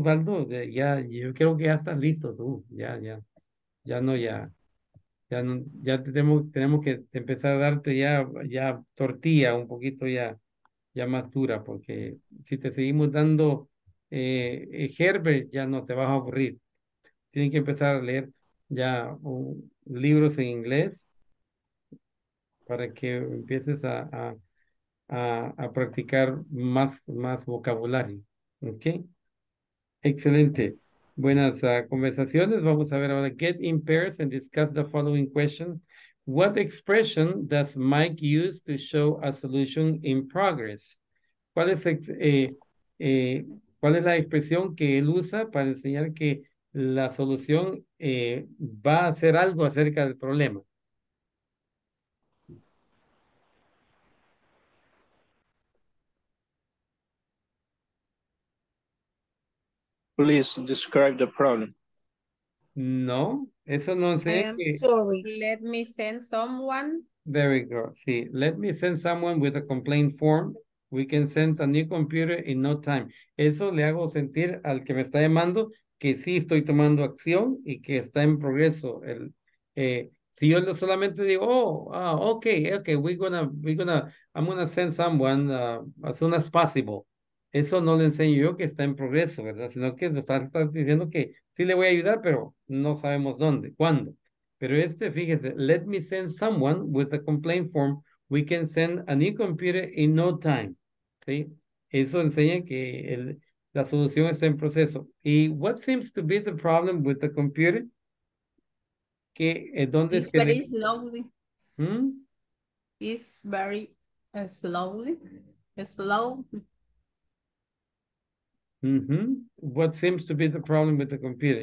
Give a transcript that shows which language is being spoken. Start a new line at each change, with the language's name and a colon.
Spanish: Osvaldo, ya, yo creo que ya estás listo tú, ya tenemos que empezar a darte ya tortilla, un poquito ya más dura, porque si te seguimos dando Herbert, ya no te vas a aburrir. Tienen que empezar a leer ya libros en inglés para que empieces a practicar más vocabulario, ¿ok? Excelente. Buenas conversaciones. Vamos a ver ahora.
English: Get in pairs and discuss the following question. What expression does Mike use to show a solution in progress?
Spanish: ¿Cuál es la expresión que él usa para enseñar que la solución va a hacer algo acerca del problema?
English: Please describe the problem.
Spanish: No, eso no sé.
English: I am sorry. Let me send someone. Very good. Sí, let me send someone with a complaint form. We can send a new computer in no time.
Spanish: Eso le hago sentir al que me está llamando que sí estoy tomando acción y que está en progreso.
English: Si yo solamente digo, okay, I'm gonna send someone as soon as possible.
Spanish: Eso no le enseño yo que está en progreso, ¿verdad? Sino que nos está diciendo que sí le voy a ayudar, pero no sabemos dónde, cuándo.
English: Pero fíjese, let me send someone with a complaint form. We can send a new computer in no time. ¿Sí?
Spanish: Eso enseña que la solución está en proceso.
English: ¿Y what seems to be the problem with the computer?
Spanish: ¿Qué, dónde
English: It's
Spanish: es que
English: very le... slowly. ¿Mm? It's very slow. Mm-hmm. What seems to be the problem with the computer?